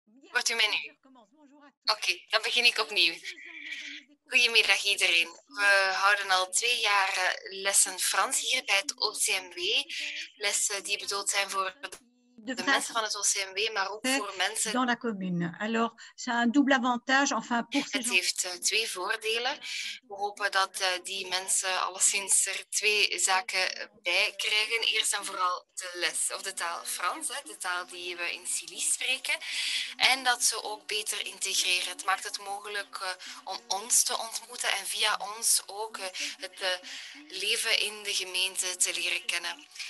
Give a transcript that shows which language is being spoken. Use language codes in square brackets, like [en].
[nl] Wordt u mij nu? Oké, dan begin ik opnieuw. Goedemiddag iedereen. We houden al 2 jaar lessen Frans hier bij het OCMW. Lessen die bedoeld zijn voor... de mensen van het OCMW, maar ook voor mensen [fr] dans la commune. Alors, c'est un double avantage, enfin, pour [nl] het heeft twee voordelen. We hopen dat die mensen alleszins er twee zaken bij krijgen. Eerst en vooral de les of de taal Frans, de taal die we in Silly spreken. En dat ze ook beter integreren. Het maakt het mogelijk om ons te ontmoeten en via ons ook het leven in de gemeente te leren kennen.